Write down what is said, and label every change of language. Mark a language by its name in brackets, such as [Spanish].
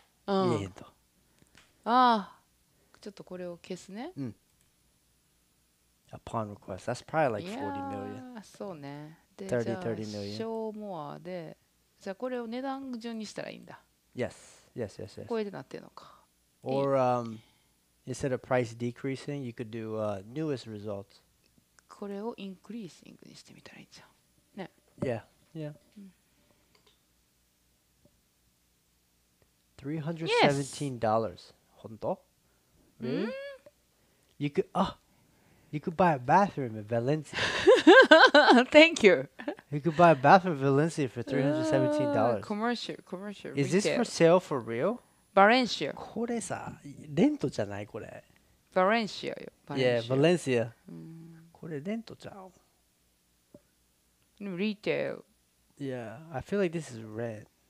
[Japanese] 見れへんと。ああ、ちょっとこれを消すね。 [English] Upon request, that's probably like $40 million. [Japanese] そうね。で、 [English] 30 million. [Japanese] 少もあで、じゃあこれを値段順にしたらいいんだ。 [English] Yes, yes, yes, yes. [Japanese] これでなってるのか。 [English] Or instead of price decreasing, you could do newest results. [Japanese] これを increasing にしてみたらいいじゃん。ね。 [English] Yeah, yeah.、うん$317. Yes. [Japanese] 本当? [English] Really? Mm? You could, you could buy a bathroom in Valencia. Thank you. You could buy a bathroom in Valencia for $317. Commercial. Is、retail. This for sale for real? Valencia. [Japanese] これさ、レントじゃないこれ。 Valencia よ。 Yeah, Valencia.、Mm. これレントちゃう。 [English] Retail. Yeah, I feel like this is rent.